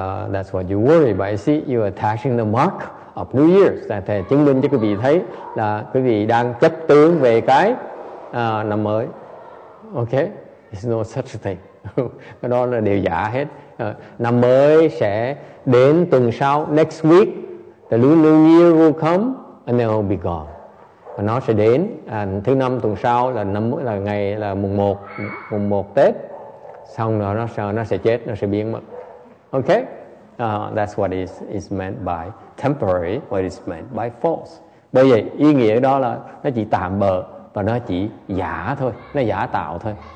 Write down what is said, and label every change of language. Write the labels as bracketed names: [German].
[English] That's what you worry about. I see you are attaching the mark of New Year's. [Vietnamese] Thầy chứng minh cho quý vị thấy là quý vị đang chấp tướng về cái năm mới. [English] Okay, it's no such thing. [Vietnamese] Cái đó là điều giả hết. Năm mới sẽ đến tuần sau, [English] next week, the new year will come and then it will be gone. [Vietnamese] Và nó sẽ đến thứ năm tuần sau là ngày là mùng một Tết. Xong rồi nó sẽ chết, nó sẽ biến mất. [English] Okay, that's what is meant by temporary, what is meant by false. [Vietnamese] Bởi vậy ý nghĩa đó là nó chỉ tạm bợ và nó chỉ giả thôi, nó giả tạo thôi.